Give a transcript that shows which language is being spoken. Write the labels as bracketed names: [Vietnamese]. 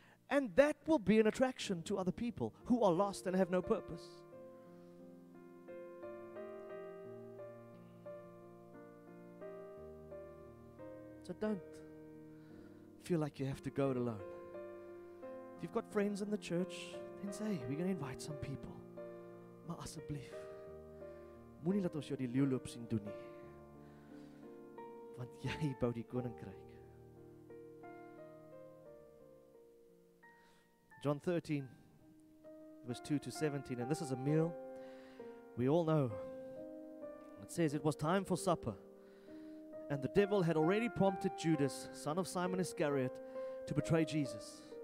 [English] And that will be an attraction to other people who are lost and have no purpose. So don't feel like you have to go it alone. If you've got friends in the church, then say, we're going to invite some people. [Afrikaans] Maar asseblief, moenie laat ons jou die leeu loop sien doen nie. Want jy bou die koninkryk. [English] John 13, verse 2 to 17, and this is a meal we all know. It says, it was time for supper, and the devil had already prompted Judas, son of Simon Iscariot, to betray Jesus.